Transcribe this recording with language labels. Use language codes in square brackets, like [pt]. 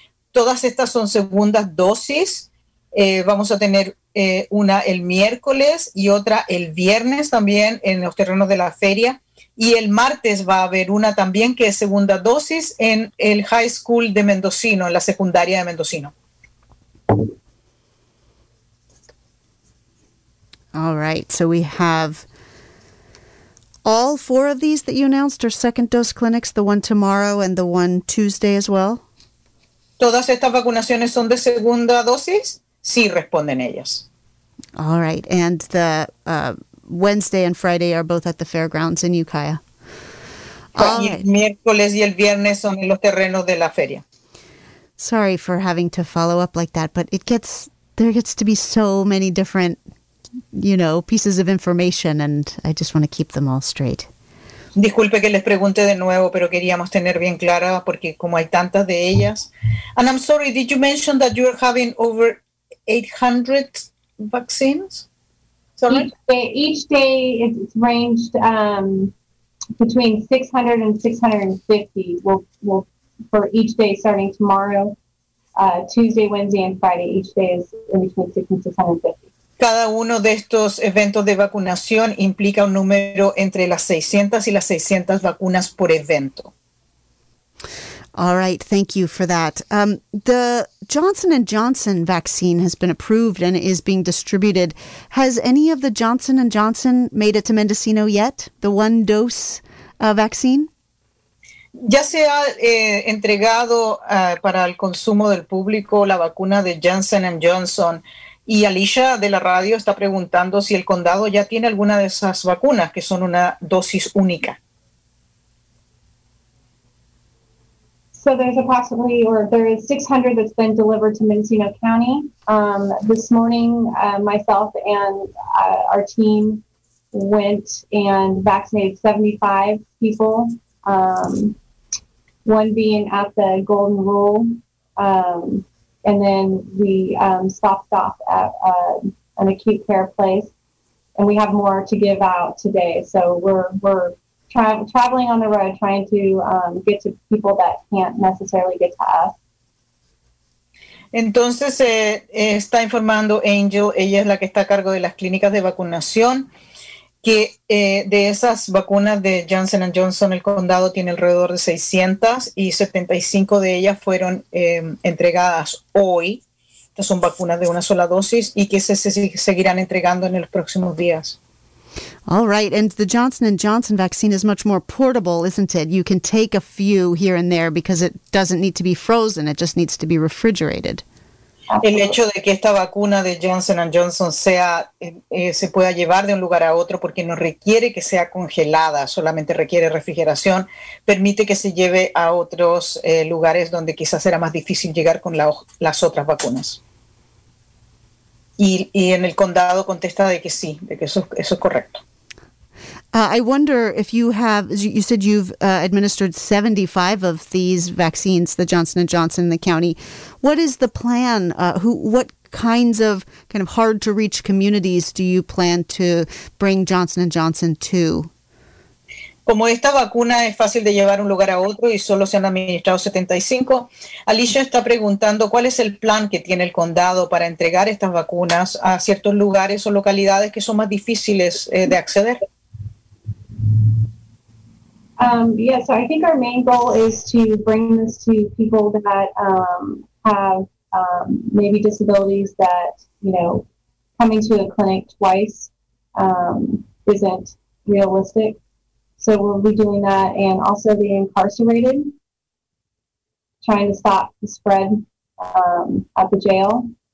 [es] Todas estas son segundas dosis. Vamos a tener una el miércoles y otra el viernes también en los terrenos de la feria. Y el martes va a haber una también que es segunda dosis en el High School de Mendocino, en la secundaria de Mendocino. [en] All right, so we have all four of these that you announced are second dose clinics, the one tomorrow and the one Tuesday as well? [es] ¿Todas estas vacunaciones son de segunda dosis? Sí, responden ellas. [en] All right, and the Wednesday and Friday are both at the fairgrounds in Ukiah. [es] Miércoles y el viernes son en los terrenos de la feria. [en] Sorry for having to follow up like that, but there gets to be so many different, you know, pieces of information, and I just want to keep them all straight. [es] Disculpe que les pregunte de nuevo, pero queríamos tener bien clara porque como hay tantas de ellas. [en] And I'm sorry, did you mention that you're having over 800 vaccines? Sorry? Each day it's ranged between 600 and 650 for each day starting tomorrow, Tuesday, Wednesday, and Friday. Each day is in between 600 and 650. [es] Cada uno de estos eventos de vacunación implica un número entre las 600 y las 600 vacunas por evento. [en] All right, thank you for that. The Johnson & Johnson vaccine has been approved and is being distributed. Has any of the Johnson & Johnson made it to Mendocino yet, the one dose vaccine? [es] Ya se ha entregado para el consumo del público la vacuna de Johnson & Johnson. Y Alicia de la radio está preguntando si el condado ya tiene alguna de esas vacunas que son una dosis única. [en] So there's approximately, or there is 600 that's been delivered to Mendocino County. This morning, myself and our team went and vaccinated 75 people. One being at the Golden Rule. And then we stopped off at an acute care place, and we have more to give out today. So we're traveling on the road, trying to get to people that can't necessarily get to us. [es] Entonces está informando Angel, ella es la que está a cargo de las clínicas de vacunación, que de esas vacunas de Johnson & Johnson, el condado tiene alrededor de 600 y 75 de ellas fueron entregadas hoy. Estas son vacunas de una sola dosis y que se seguirán entregando en los próximos días. [en] All right, and the Johnson & Johnson vaccine is much more portable, isn't it? You can take a few here and there because it doesn't need to be frozen, it just needs to be refrigerated. [es] El hecho de que esta vacuna de Johnson & Johnson sea se pueda llevar de un lugar a otro porque no requiere que sea congelada, solamente requiere refrigeración, permite que se lleve a otros lugares donde quizás será más difícil llegar con las otras vacunas. Y en el condado contesta de que sí, de que eso es correcto. [en] I wonder if you have, you said you've administered 75 of these vaccines, the Johnson & Johnson in the county. What is the plan? What kinds of kind of hard to reach communities do you plan to bring Johnson & Johnson to? [es] Como esta vacuna es fácil de llevar un lugar a otro y solo se han administrado 75, Alicia está preguntando cuál es el plan que tiene el condado para entregar estas vacunas a ciertos lugares o localidades que son más difíciles de acceder. [en] Yeah, so I think our main goal is to bring this to people that have maybe disabilities that, you know, coming to a clinic twice isn't realistic. So we'll be doing that, and also the incarcerated, trying to stop the spread at the jail.